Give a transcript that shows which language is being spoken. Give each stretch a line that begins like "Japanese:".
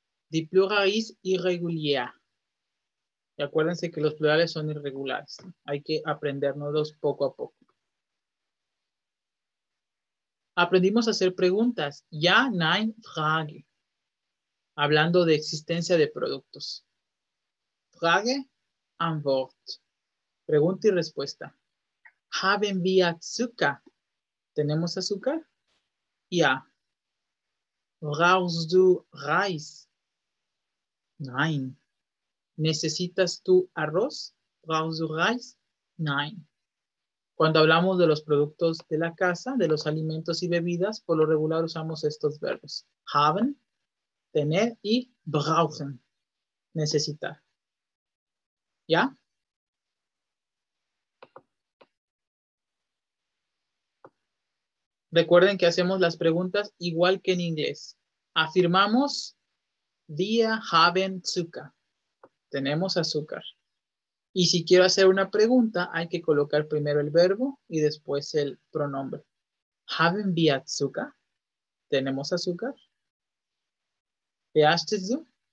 German: Die Plural ist irregulär.
Spanish: Y acuérdense que los plurales son irregulares. Hay que aprendernos poco a poco. Aprendimos a hacer preguntas.
German: Ja, nein, Frage.
Spanish: Hablando de existencia de productos.
German: Frage, Antwort.
Spanish: Pregunta y respuesta.
German: Haben wir Zucker?
Spanish: ¿Tenemos azúcar?
German: Ja. Brauchst du Reis? Nein.
Spanish: ¿Necesitas tú arroz?
German: ¿Brauchst du Reis? Nein.
Spanish: Cuando hablamos de los productos de la casa, de los alimentos y bebidas, por lo regular usamos estos verbos. Haben, tener y brauchen, necesitar. ¿Ya? Recuerden que hacemos las preguntas igual que en inglés.
German: Afirmamos, wir haben Zucker.
Spanish: Tenemos azúcar. Y si quiero hacer una pregunta, hay que colocar primero el verbo y después el pronombre.
German: ¿Haben wir Zucker?
Spanish: ¿Tenemos azúcar? ¿Te has hecho?